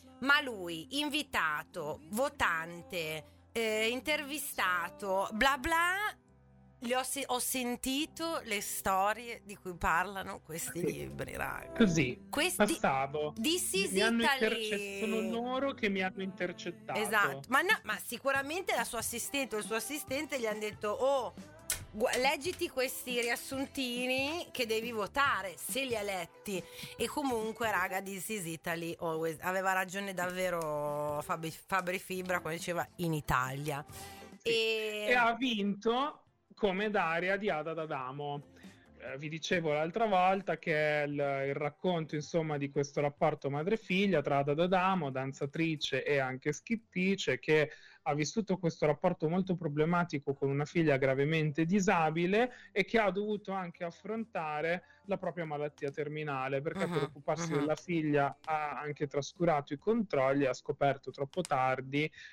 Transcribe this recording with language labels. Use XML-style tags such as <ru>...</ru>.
<it>Ma lui, invitato, votante, intervistato, bla bla, ho sentito le storie di cui parlano questi libri, raga. Così, passavo.</it> <en>This is Italy.</en> <it>Sono loro che mi hanno intercettato. Esatto, ma, no, ma sicuramente la sua assistente o il suo assistente gli hanno detto oh... leggiti questi riassuntini che devi votare se li ha letti. E comunque, raga,</it> <en>this is Italy always.</en> <it>Aveva ragione davvero Fabri Fibra quando diceva in Italia. E ha vinto come Daria di Ada d'Adamo. Vi dicevo l'altra volta che è il racconto, insomma, di questo rapporto madre-figlia tra Ada d'Adamo, danzatrice e anche scrittrice, che ha vissuto questo rapporto molto problematico con una figlia gravemente disabile e che ha dovuto anche affrontare la propria malattia terminale, perché per occuparsi della figlia ha anche trascurato i controlli, ha scoperto troppo tardi</it>